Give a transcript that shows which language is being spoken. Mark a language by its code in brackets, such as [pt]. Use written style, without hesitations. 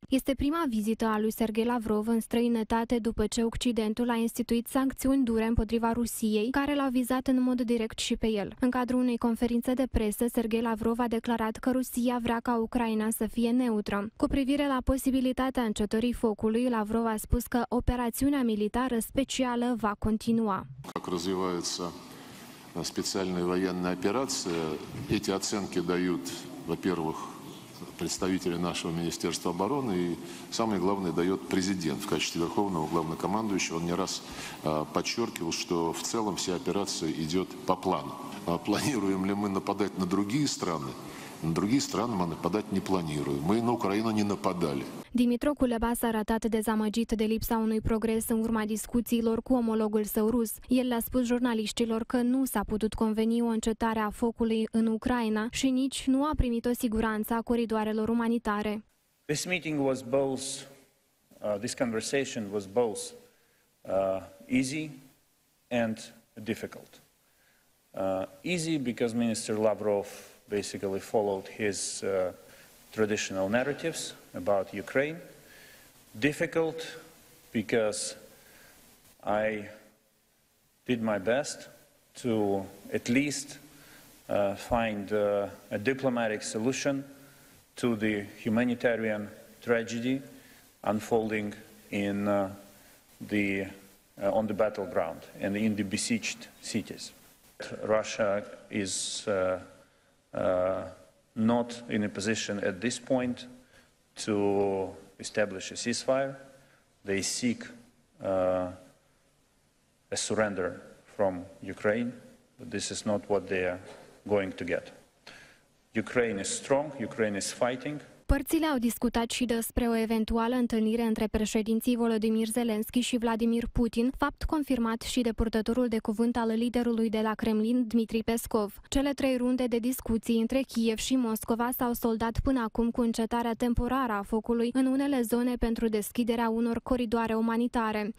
[ro] Este prima vizită a lui Sergei Lavrov în străinătate după ce Occidentul a instituit sancțiuni dure împotriva Rusiei, care l-au vizat în mod direct și pe el. În cadrul unei conferințe de presă, Sergei Lavrov a declarat că Rusia vrea ca Ucraina să fie neutră. Cu privire la posibilitatea încetării focului, Lavrov a spus că operațiunea militară specială va continua. [ru] Как развивается специальная военная операция, эти оценки дают, во-первых, представители нашего Министерства обороны и самое главное дает президент в качестве верховного главнокомандующего. Он не раз подчеркивал, что в целом вся операция идет по плану. Планируем ли мы нападать на другие страны? На другие страны мы нападать не планируем. Мы на Украину не нападали. [ro] Dimitro Kuleba s-a arătat dezamăgit de lipsa unui progres în urma discuțiilor cu omologul său rus. El le-a spus jurnaliștilor că nu s-a putut conveni o încetare a focului în Ucraina și nici nu a primit o siguranță a coridoarelor umanitare. [en] This meeting was both this conversation was both easy and difficult. Easy because Minister Lavrov basically followed his traditional narratives about Ukraine. Difficult because I did my best to at least find a diplomatic solution to the humanitarian tragedy unfolding in on the battleground and in the besieged cities. Russia is not in a position at this point to establish a ceasefire. They seek a surrender from Ukraine, but this is not what they are going to get. Ukraine is strong, Ukraine is fighting. [ro] Părțile au discutat și despre o eventuală întâlnire între președinții Volodymyr Zelensky și Vladimir Putin, fapt confirmat și de purtătorul de cuvânt al liderului de la Kremlin, Dmitri Peskov. Cele trei runde de discuții între Kiev și Moscova s-au soldat până acum cu încetarea temporară a focului în unele zone pentru deschiderea unor coridoare umanitare.